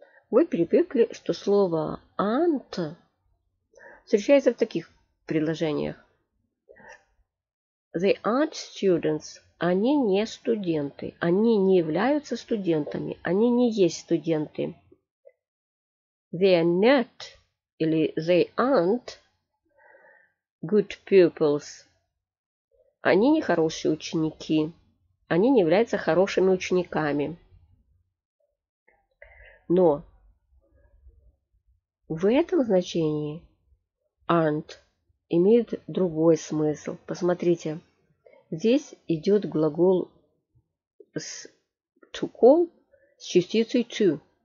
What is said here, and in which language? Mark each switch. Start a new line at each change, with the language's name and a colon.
Russian: Вы привыкли, что слово aunt – встречается в таких предложениях.
English: They aren't students.
Russian: Они не студенты. Они не являются студентами. Они не есть студенты.
English: They are not или they aren't good pupils.
Russian: Они не хорошие ученики. Они не являются хорошими учениками. Но в этом значении aren't имеет другой смысл. Посмотрите, здесь идет глагол to call с частицей to.